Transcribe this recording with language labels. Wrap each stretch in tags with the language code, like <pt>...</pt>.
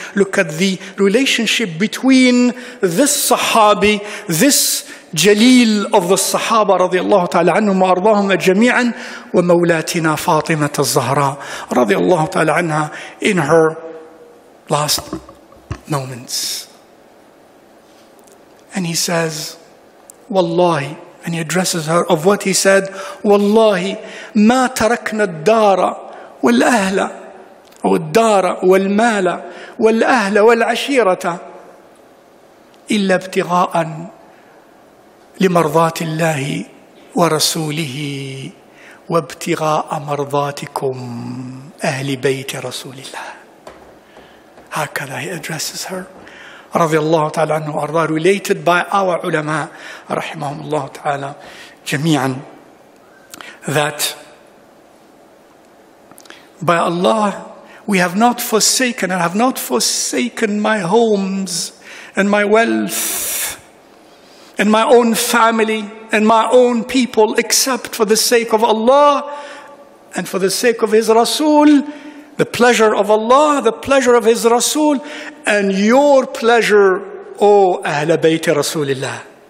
<en>Look at the relationship between this Sahabi, this Jalil of the Sahaba</en> <ar>رضي الله تعالى عنهم وأرضاهم جميعا, ومولاتنا فاطمة الزهراء رضي الله تعالى عنها</ar> <en>in her last moments. And he says,</en> <ar>والله,</ar> <en>and he addresses her of what he said,</en> <ar>والله ما تركنا الدار والأهل أو الدار والمال والأهل والعشيرة إلا ابتغاء لمرضاة الله ورسوله وابتغاء مرضاتكم أهل بيت رسول الله. هكذا</ar> <en>he addresses her</en> <ar>رضي الله تعالى عنه وأرضاه,</ar> <en>related by our</en> <ar>علماء رحمهم الله تعالى جميعا, that</ar> <en>by Allah we have not forsaken, and have not forsaken my homes and my wealth and my own family and my own people except for the sake of Allah and for the sake of His Rasul, the pleasure of Allah, the pleasure of His Rasul, and your pleasure, O Ahl Bayt Rasulillah.</en>